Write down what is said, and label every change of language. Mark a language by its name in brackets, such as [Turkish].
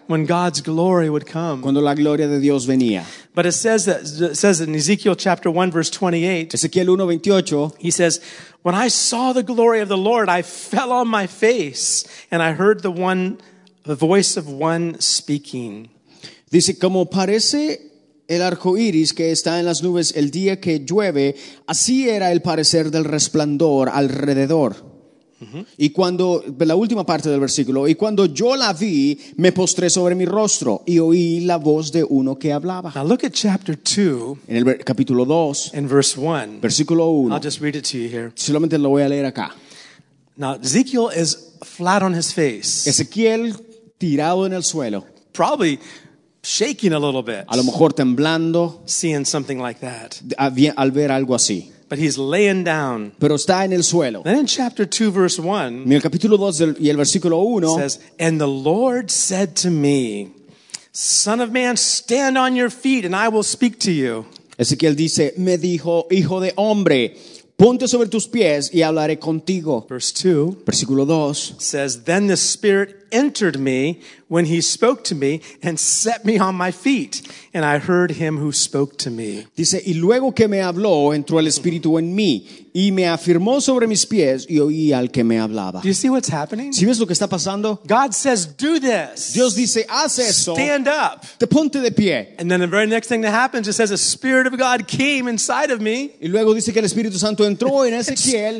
[English] When God's glory would come. [Spanish] Cuando la gloria de Dios venía. [English] But it says in Ezekiel chapter 1 verse 28. [Spanish] Ezequiel 1, 28. [English] He says, "When I saw the glory of the Lord, I fell on my face, and I heard the voice of one speaking." [Spanish] Dice, como parece el arco iris que está en las nubes el día que llueve, así era el parecer del resplandor alrededor. Y cuando, la última parte del versículo, y cuando yo la vi, me postré sobre mi rostro y oí la voz de uno que hablaba. [English] Now look at chapter 2. [Spanish] En el capítulo 2. [English] In verse 1. [Spanish] Versículo 1. [English] I'll just read it to you here. [Spanish] Solamente lo voy a leer acá. [English] Now Ezekiel is flat on his face. [Spanish] Ezequiel tirado en el suelo. [English] Probably shaking a little bit. [Spanish] A lo mejor temblando. [English] Seeing something like that. [Spanish] Al ver algo así. [English] But he's laying down. [Spanish] Pero está en el suelo. [English] Then in chapter 2, verse 1. [Spanish] En el capítulo 2 y el versículo 1. [English] Says, "And the Lord said to me, Son of man, stand on your feet and I will speak to you." [Spanish] Ezequiel dice, me dijo, hijo de hombre, ponte sobre tus pies y hablaré contigo. [English] Verse 2. [Spanish] Versículo 2. [English] Says, "Then the Spirit entered me when he spoke to me and set me on my feet, and I heard him who spoke to me." [Spanish] Dice, y luego que me habló, entró el Espíritu en mí, y me afirmó sobre mis pies, y oí al que me hablaba. [English] Do you see what's happening? [Spanish] ¿Sí ves lo que está pasando? [English] God says, do this. [Spanish] Dios dice, haz eso. [English] Stand up. [Spanish] Te ponte de pie. [English] And then the very next thing that happens, it says, the Spirit of God came inside of me. [Spanish] Y luego dice que el Espíritu Santo entró en Ezequiel.